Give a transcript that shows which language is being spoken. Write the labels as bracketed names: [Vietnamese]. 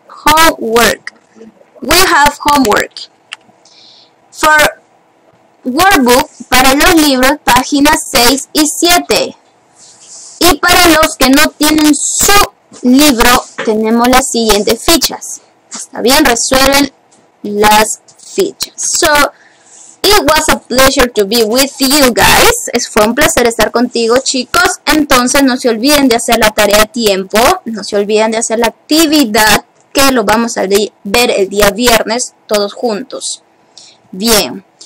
[English] Homework. We have homework. For Workbook [Spanish] para los libros, páginas 6 y 7. Y para los que no tienen su libro, tenemos las siguientes fichas. ¿Está bien? Resuelven las fichas. [English] So, it was a pleasure to be with you guys. [Spanish] Fue un placer estar contigo, chicos. Entonces, no se olviden de hacer la tarea a tiempo. No se olviden de hacer la actividad que lo vamos a ver el día viernes todos juntos. Bien.